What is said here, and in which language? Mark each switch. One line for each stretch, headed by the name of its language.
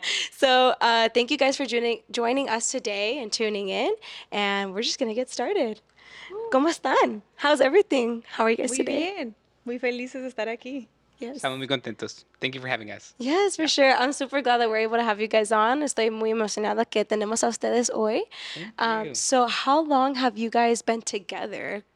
English: So thank you guys for joining us today and tuning in, and we're just going to get started.
Spanish: ¿Cómo están?
English: How's everything? How are you guys
Spanish: muy
English: today?
Spanish: Bien. Muy felices de estar aquí.
English: Yes.
Spanish: Estamos muy contentos.
English: Thank you for having us. Yes, for sure. I'm super glad that we're able to have you guys on.
Spanish: Estoy muy emocionada que tenemos a ustedes hoy.
English: So how long have you guys been together?